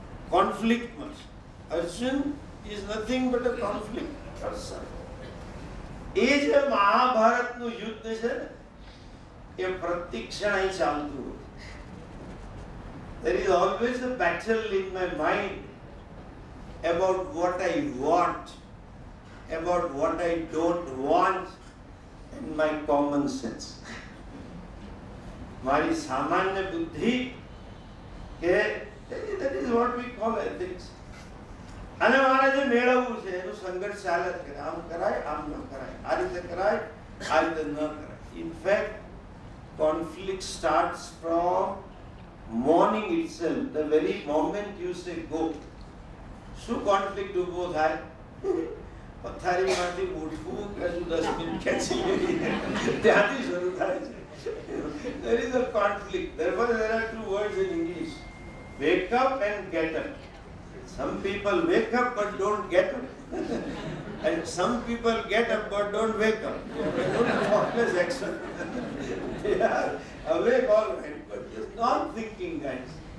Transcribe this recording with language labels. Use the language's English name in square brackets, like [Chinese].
[English] conflict much Arjun is nothing but a conflict person [Gujarati] એ જે મહાભારતનું યુદ્ધ છે એ પ્રતિક્ષણ અહીં ચાલતું હોય [English] there is always a battle in my mind about what I want about what I don't want in my common sense [Gujarati] મારી સામાન્ય બુદ્ધિ કે [English] That is what we call ethics. [Gujarati] અને મારે જે મેળવવું છે એનું સંઘર્ષ ચાલે જ કરે, આમ કરાય આમ ન કરાય, આ રીતે કરાય આ રીતે ન કરાય. [English] In fact conflict starts from morning itself, the very moment you say go. [Gujarati] શું કોન્ફ્લિક્ટ ઉભો થાય? પથારી માંથી ઉઠવું કે શું ડસ્ટબિન ખેંચી લેવી, ત્યાંથી શરૂ થાય છે. [English] There is a conflict. Therefore, there are two words in English: wake up and get up. Some people wake up but don't get up, and some people get up but don't wake up. Thoughtless action. They are awake all right, but just not thinking, guys.